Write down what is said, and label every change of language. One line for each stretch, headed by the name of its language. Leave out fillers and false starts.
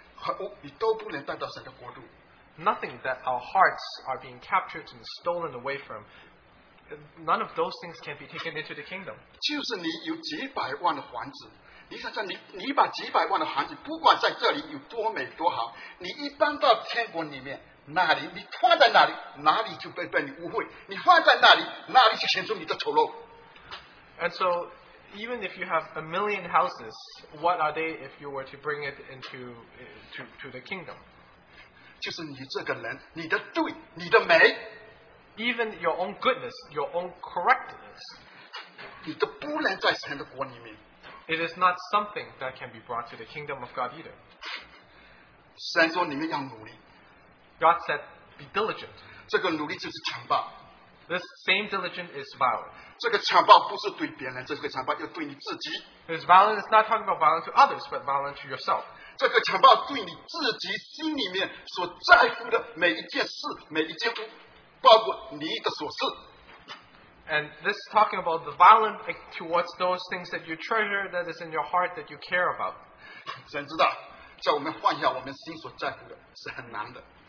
Chinese: 你今天所拥有的任何事情，你在心里面所在的每一件事，你都不能带到神的国度。
English: Nothing that our hearts are being captured and stolen away from, none of those things can be taken into the kingdom.
Chinese: 就是你有几百万的房子，你想想你把几百万的房子，不管在这里有多美多好，你一搬到天国里面，哪里你放在哪里，哪里就被你污秽；你放在哪里，哪里就显出你的丑陋。
English: And so, even if you have a million houses, what are they if you were to bring it into the kingdom?
Chinese: 就是你这个人，你的对，你的美，
English: even your own goodness, your own correctness,
Chinese: 你都不能在神的国里面。
English: It is not something that can be brought to the kingdom of God either.
Chinese: 神说你们要努力。
English: God said, be diligent.
Chinese: 这个努力就是强暴。
English: This same diligence is violent.
Chinese: 这个强暴不是对别人，这个强暴要对你自己。
English: This violence is not talking about violence to others, but violence to yourself.
Chinese: 这个强暴对你自己心里面所在乎的每一件事、每一件物，包括你的琐事。
English: And this is talking about the violence towards those things that you treasure, that is in your heart, that you care about.
Chinese: 神知道，叫我们放下我们心所在乎的，是很难的。